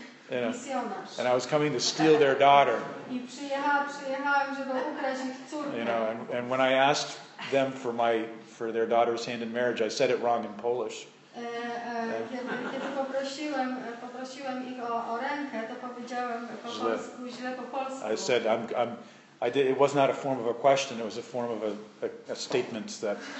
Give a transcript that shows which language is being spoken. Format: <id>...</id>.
<en>And I was coming to steal their daughter. And when I asked them for their daughter's hand in marriage, I said it wrong in Polish.</en> <pl>Kiedy poprosiłem ich o rękę, to powiedziałem po polsku, źle po polsku.</pl> <en>I said, it was not a form of a question, it was a form of a statement that...</en>